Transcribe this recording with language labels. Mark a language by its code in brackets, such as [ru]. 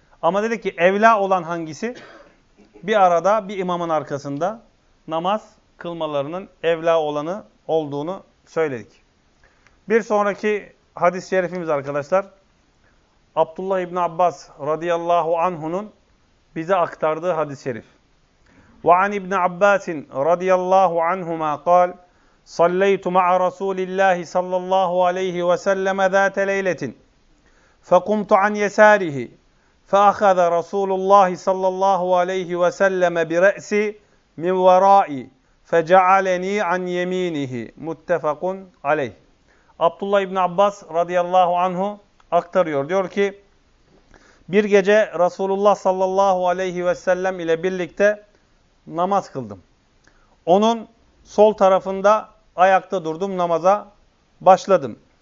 [tr] Ama dedik ki evla olan hangisi? Bir arada bir imamın arkasında namaz kılmalarının evla olanı olduğunu söyledik. Bir sonraki hadis-i şerifimiz arkadaşlar. Abdullah İbni Abbas radıyallahu anhunun bize aktardığı hadis-i şerif. [ar] وَعَنْ اِبْنِ عَبَّاسٍ رَضِيَ anhuma قَالْ صليت مع رسول الله صلى الله عليه وسلم ذات ليلة فقمت عن يساره فأخذ رسول الله صلى الله عليه وسلم برأسي من ورائي فجعلني عن يمينه متفق عليه. [tr] Abdullah ibn Abbas radıyallahu anhu aktarıyor. Diyor ki bir gece Resulullah sallallahu aleyhi ve sellem ile birlikte namaz kıldım. Onun sol tarafında ayakta durdum, namaza başladım.